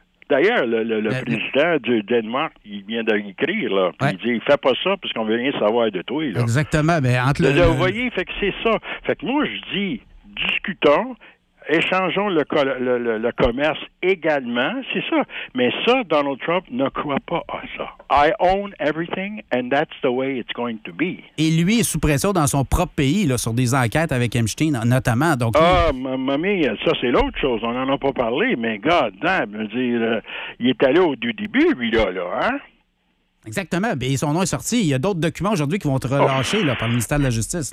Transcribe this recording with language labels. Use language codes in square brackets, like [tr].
[fr] D'ailleurs, le président du Danemark, il vient d'écrire, là. Puis il dit, fais pas ça, parce qu'on veut rien savoir de toi, là. Exactement, mais entre le... Vous voyez, fait que c'est ça. Fait que moi, je dis, discutons, échangeons le commerce également, c'est ça. Mais ça, Donald Trump ne croit pas à ça. [en] I own everything and that's the way it's going to be. [fr] Et lui est sous pression dans son propre pays, là, sur des enquêtes avec Epstein, notamment. Donc, mamie, ça c'est l'autre chose. On n'en a pas parlé, mais [en] God damn, [fr] je veux dire, il est allé au début, lui-là, hein? Exactement. Et son nom est sorti. Il y a d'autres documents aujourd'hui qui vont être relâchés par le ministère de la Justice.